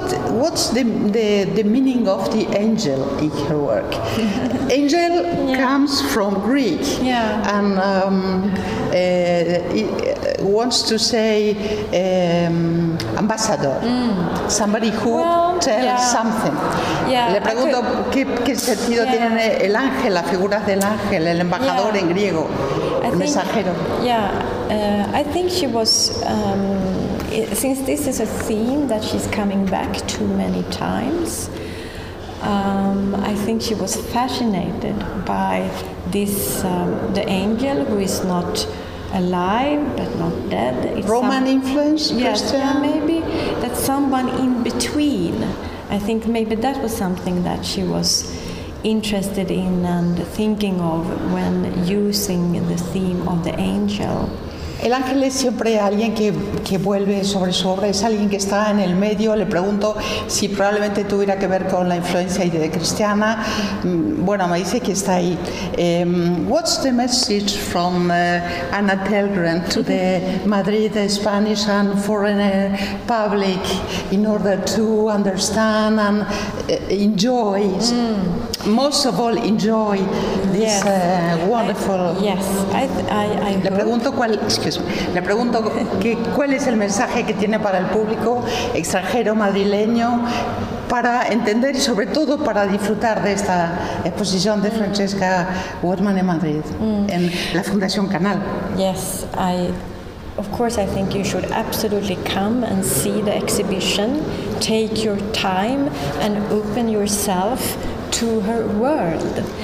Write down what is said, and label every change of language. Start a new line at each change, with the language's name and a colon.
English: What's the meaning of the angel in her work? Angel yeah. comes from Greek yeah. and it wants to say ambassador, somebody who tells yeah. something. Yeah,
Spanish: le pregunto qué sentido
English: yeah.
Spanish: tiene el ángel, la figura del ángel, el embajador
English: yeah.
Spanish: en griego, el mensajero.
English: Yeah, I think she was. Since this is a theme that she's coming back to many times, I think she was fascinated by this, the angel who is not alive but not dead. It's Roman influence, Christian? Yes, yeah, maybe. That someone in between. I think maybe that was something that she was interested in and thinking of when using the theme of the angel.
Spanish: El ángel es siempre alguien que vuelve sobre su obra, es alguien que está en el medio. Le pregunto si probablemente tuviera que ver con la influencia de cristiana. Bueno, me dice que está ahí.
English: What's the message from Anna Telgren to the Madrid Spanish and foreign public in order to understand and enjoy, most of all enjoy this yes. Wonderful... Yes, I
Spanish: le pregunto cuál... Le pregunto cuál es el mensaje que tiene para el público extranjero madrileño para entender y sobre todo para disfrutar de esta exposición de Francesca Woodman en Madrid en la Fundación Canal.
English: Yes, I of course I think you should absolutely come and see the exhibition, take your time and open yourself to her world.